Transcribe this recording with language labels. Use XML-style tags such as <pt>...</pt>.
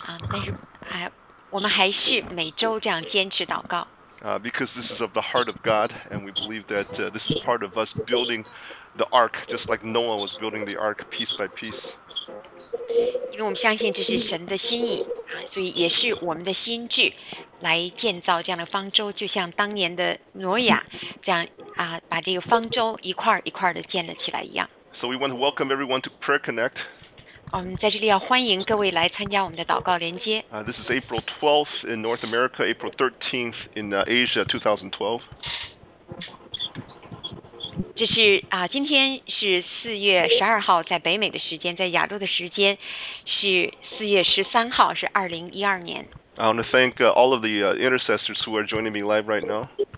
<zh>但是我们还是每周这样坚持祷告。</zh> <en>Because this is of the heart of God, and we believe that this is part of us building the ark, just like Noah was building the ark piece by piece.</en> <zh>因为我们相信这是神的心意，所以也是我们的心智来建造这样的方舟，就像当年的挪亚这样把这个方舟一块一块的建立起来一样。</zh> <en>So we want to welcome everyone to Prayer Connect.</en> <zh>我们在这里要欢迎各位来参加我们的祷告连接。</zh> <en>This is April 12th in North America, April 13th in Asia, 2012.</en> <zh>这是今天是 4月12号在北美的时间，在亚洲的时间是4月13号， 是2012年。</zh> <en>I want to thank all of the intercessors who are joining me live right now.</en>